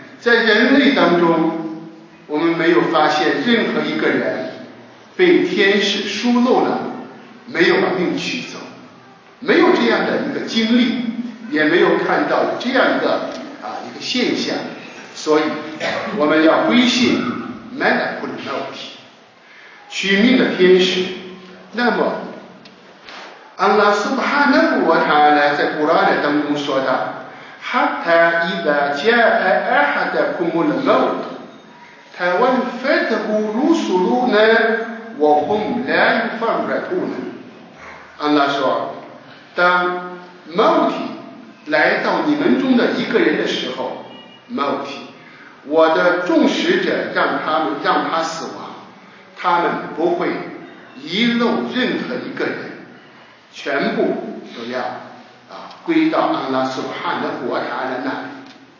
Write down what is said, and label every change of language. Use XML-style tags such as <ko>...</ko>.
<zh>在人类当中，我们没有发现任何一个人被天使疏漏了，没有把命取走，没有这样的一个经历，也没有看到这样的一个现象。所以我们要归信 Malakul Mauti 取命的天使。那么安拉苏布哈纳夫瓦塔阿拉在</zh> <ar>القرآن</ar> <zh>当中说的</zh> <ar>حتى إذا جاء أحدكم الموت توفته رسلنا وهم لا يفرطون。</ar> <zh>安拉说，当 موت 来到你们中的一个人的时候， موt 我的众使者让他死亡，他们不会遗漏任何一个人，全部都要归到安拉苏哈的国塔的那里。</zh>